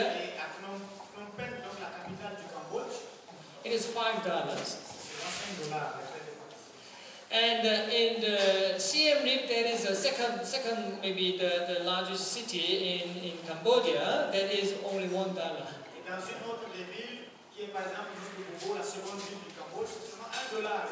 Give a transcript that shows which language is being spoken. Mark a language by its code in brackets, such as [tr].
[fr] Et à Phnom Penh, donc la capitale du Cambodge, [en] it is $5. [fr] C'est $5 les frais. [en] And in the Siem Reap, there is a second maybe the largest city in Cambodia, that is only $1. [fr] Et dans une autre des villes, qui est par exemple une ville de Bobo, la seconde ville du Cambodge, c'est seulement $1.